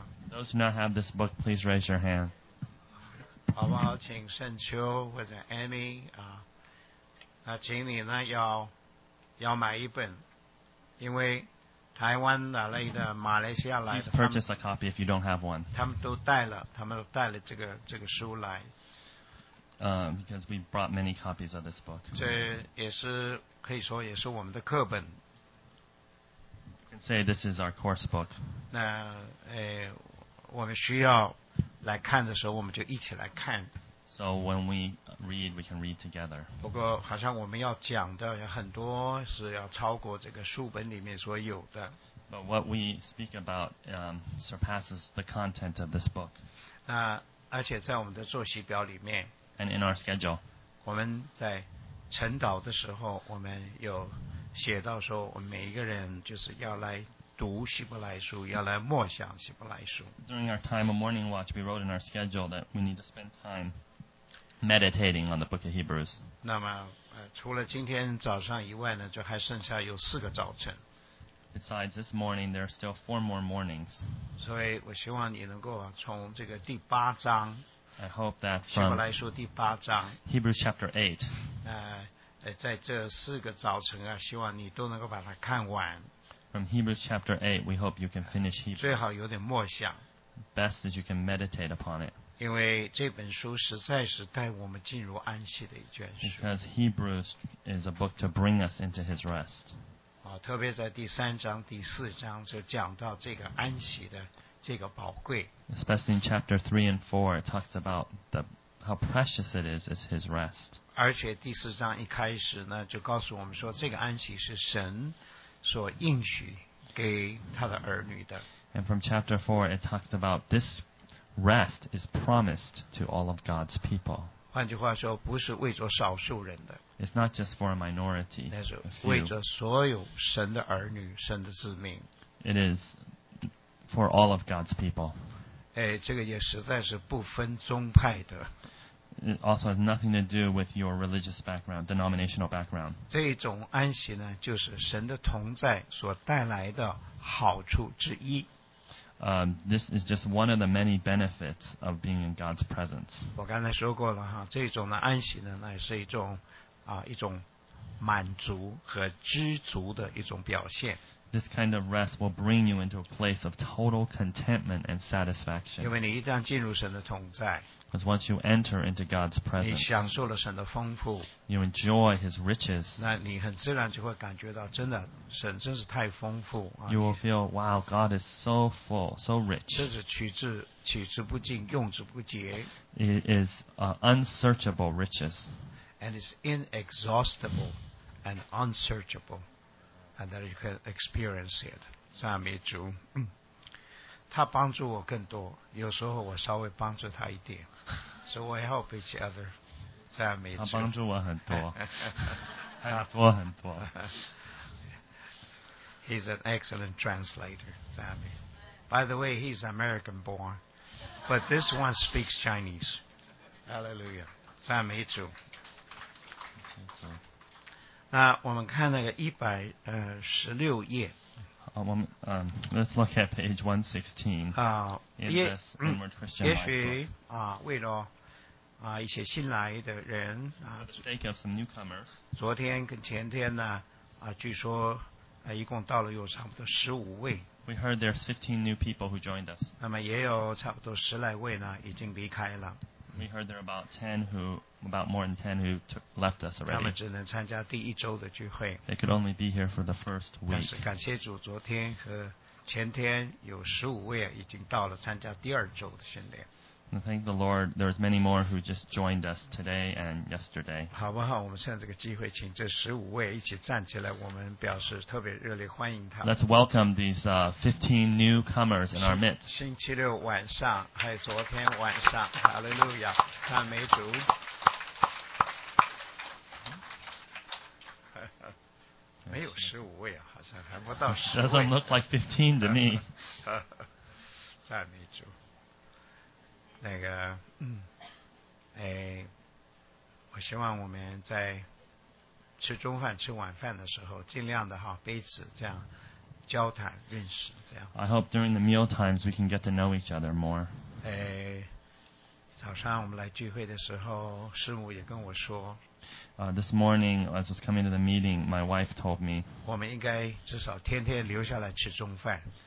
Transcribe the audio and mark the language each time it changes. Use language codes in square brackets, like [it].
[en] Those who not have this book, please raise your hand. [zh] 好不好？请圣秋或者 Amy 请你呢要买一本，因为。台湾来的，马来西亚来的。 [en] Please purchase a copy if you don't have one. [zh] 他们都带了，他们都带了这个书来。 [en] Because we brought many copies of this book. [zh] 这也是可以说也是我们的课本。 [en] You can say this is our course book. [zh] 那我们需要来看的时候，我们就一起来看。 [en] So when we read, we can read together. [zh] 不过好像我们要讲的很多是要超过这个书本里面所有的。 [en] But what we speak about surpasses the content of this book. [zh] 而且在我们的作息表里面。 [en] And in our schedule. [zh] 我们在晨祷的时候，我们有写到说，我们每一个人就是要来。读希伯来书，要来默想希伯来书。 [en] During our time of morning watch, we wrote in our schedule that we need to spend time meditating on the book of Hebrews. [zh] 那么，除了今天早上以外呢，就还剩下有四个早晨。 [en] Besides this morning, there are still four more mornings. [zh] 所以我希望你能够从这个第八章。 [en] I hope that from [zh] 希伯来书第八章。 [en] Hebrews chapter 8. [zh] 在这四个早晨啊，希望你都能够把它看完。 [en] From Hebrews chapter 8, we hope you can finish Hebrews. [zh] 最好有点默想。 [en] Best that you can meditate upon it. [zh] 因为这本书实在是带我们进入安息的一卷书。 [en] Because Hebrews is a book to bring us into His rest. [zh] 特别在第三章、第四章就讲到这个安息的这个宝贵。 [en] Especially in chapter 3 and 4, it talks about how precious it is his rest. [zh] 而且第四章一开始呢，就告诉我们说，这个安息是神所应许给他的儿女的。 [en] And from chapter 4, it talks about this rest is promised to all of God's people. [zh] 换句话说，不是为着少数人的。 [en] It's not just for a minority. [zh] 但是为着所有神的儿女，神的子民。 [en] It is for all of God's people. [zh] 哎，这个也实在是不分宗派的。 [en] It also has nothing to do with your religious background, denominational background. [zh] 这种安息呢，就是神的同在所带来的好处之一。 [en] This is just one of the many benefits of being in God's presence. [zh] 我刚才说过了哈，这种的安息呢，那是一种啊一种满足和知足的一种表现。 [en] This kind of rest will bring you into a place of total contentment and satisfaction. [zh] 因为你一旦进入神的同在。 [en] Because once you enter into God's presence, [zh] 你享受了神的丰富, [en] you enjoy His riches. [zh] 那你很自然就会感觉到真的神真是太丰富, [en] you will feel, wow, God is so full, so rich. [zh] 这是取之不尽, 用之不竭, [en] it is unsearchable riches. And it's inexhaustible and unsearchable. And that you can experience it. [zh] 赞美主。他帮助我更多，有时候我稍微帮助他一点。 [en] So we help each other. [zh] 赞美主。他帮助我很多。他多很多。 [en] He's an excellent translator. [zh] 赞美。 [en] By the way, he's American born. But this one speaks Chinese. Hallelujah. [zh] 赞美主。那我们看那个116页。 [en] Let's look at page 116 in this Inward Christian Life. [zh] 也许为了一些新来的人 [en] For the sake of some newcomers. [zh] 昨天跟前天呢据说一共到了有差不多15位。 [en] We heard there's 15 new people who joined us. [zh] 那么也有差不多十来位呢已经离开了。 [en] We heard there are about more than 10 who left us already. [zh] 他们只能参加第一周的聚会。 [en] They could only be here for the first week. [zh] 但是感谢主，昨天和前天有15位已经到了参加第二周的训练。 [en] And thank the Lord, there's many more who just joined us today and yesterday. [zh] 好不好？我们趁这个机会，请这15位一起站起来，我们表示特别热烈欢迎他们。 [en] Let's welcome these 15 newcomers in our midst. [zh] 星期六晚上，还有昨天晚上 ，Hallelujah， 赞美主。没有15位啊，好像还不到10位。 [en] Doesn't look like 15 to me. [zh] 赞美主。那个，我希望我们在吃中饭、吃晚饭的时候，尽量的哈彼此这样交谈、认识这样。 [en] I hope during the meal times we can get to know each other more. [zh] 早上我们来聚会的时候，师母也跟我说。 [en] This morning, as I was coming to the meeting, my wife told me. [zh] 我们应该至少天天留下来吃中饭。